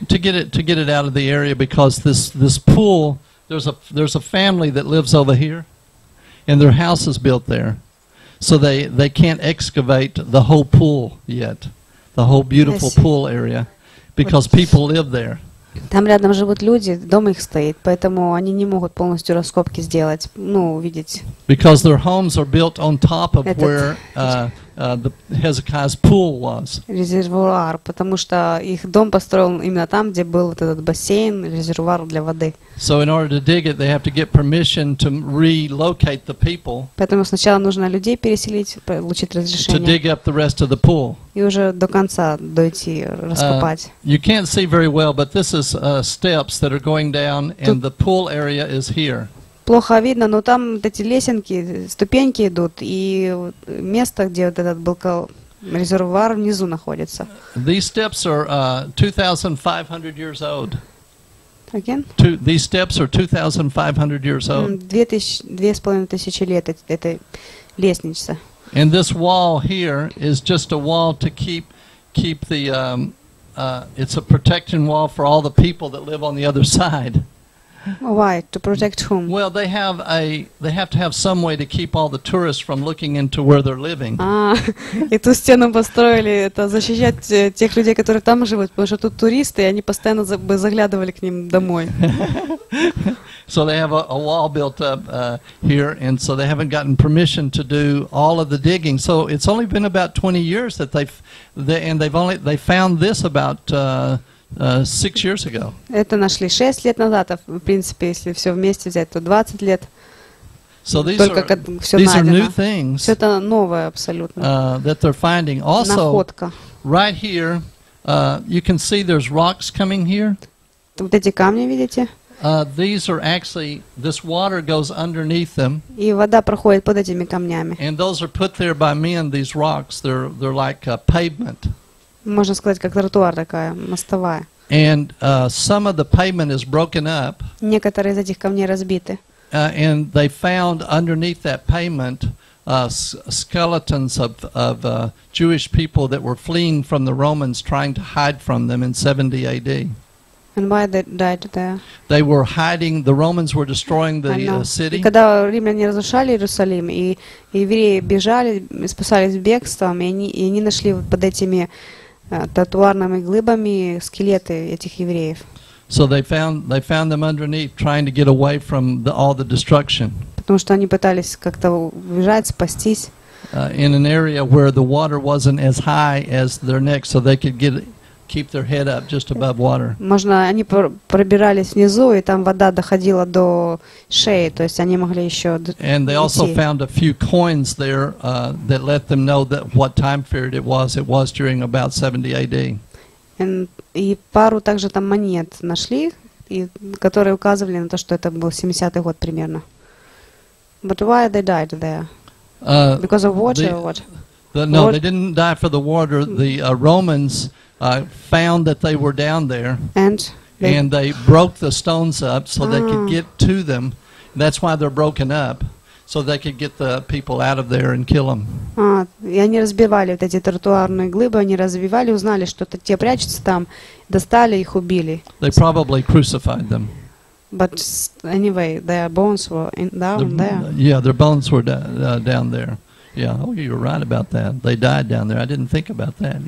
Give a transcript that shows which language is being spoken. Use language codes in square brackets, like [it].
[en] To get it out of the area because this pool there's a family that lives over here. And their house is built there, so they can't excavate the whole pool yet, the whole beautiful pool area, because people live there. [ru] Там рядом живут люди, дом их стоит, поэтому они не могут полностью раскопки сделать, ну увидеть. [en] Because their homes are built on top of where the Hezekiah's pool was. [ru] Резервуар, потому что их дом построен именно там, где был вот этот бассейн, резервуар для воды. [en] So in order to dig it, they have to get permission to relocate the people. [ru] Поэтому сначала нужно людей переселить, получить разрешение. [en] To dig up the rest of the pool. [ru] И уже до конца дойти раскопать. [en] You can't see very well, but this is steps that are going down, and the pool area is here. [ru] Плохо видно, но там вот эти лесенки, ступеньки идут, и место, где вот этот был резервуар, внизу находится. [en] These steps are 2,500 years old. Again? These steps are 2,500 years old. [ru] 2,500 лет это лестница. [en] And this wall here is just a wall to keep the it's a protection wall for all the people that live on the other side. Why? To protect whom? Well, they have to have some way to keep all the tourists from looking into where they're living. [ru] Эту стену построили, это защищать тех людей, которые там живут, потому что тут туристы, и они постоянно бы заглядывали к ним домой. [en] So they have a wall built up here, and so they haven't gotten permission to do all of the digging. So it's only been about 20 years that they found this about 6 years ago. [ru] Это нашли 6 лет назад, а в принципе, если все вместе взять, то 20 лет. [en] So these are new things. [ru] Все это новое абсолютно. [en] That they're finding. Also, [ru] находка. [en] Right here, you can see there's rocks coming here. [ru] Вот эти камни видите? [en] These are actually, this water goes underneath them. [ru] И вода проходит под этими камнями. [en] And those are put there by men, these rocks. They're like a pavement. [ru] Можно сказать, как тротуар такая, мостовая. [en] And some of the pavement is broken up. [ru] Некоторые из этих камней разбиты. [en] And they found underneath that pavement skeletons of Jewish people that were fleeing from the Romans trying to hide from them in 70 AD. And why they died there? They were hiding, the Romans were destroying the city. [ru] И когда римляне разрушали Иерусалим, и евреи бежали, спасались бегством, и они нашли под этими тротуарными глыбами скелеты этих евреев. [en] So they found them underneath, trying to get away from all the destruction. [ru] Потому что они пытались как-то убежать, спастись. [en] In an area where the water wasn't as high as their neck, so they could keep their head up just above water. [ru] Можно, они пробирались внизу, и там вода доходила до шеи, то есть они могли еще идти. [en] And they also found a few coins there that let them know that what time period it was. It was during about 70 AD. [ru] И пару также там монет нашли, и которые указывали на то, что это был 70-й год примерно. [en] But why they died there? Because of water, or what? No, they didn't die for the water. The Romans found that they were down there, and they broke the stones up so they could get to them. That's why they're broken up, so they could get the people out of there and kill them. [ru] И они разбивали вот эти тротуарные глыбы, они разбивали, узнали, что те прячутся там, достали их, убили. [en] They probably crucified them. But anyway, their bones were down there. Yeah, their bones were down there. Yeah, oh, you're right about that. They died down there. I didn't think about that.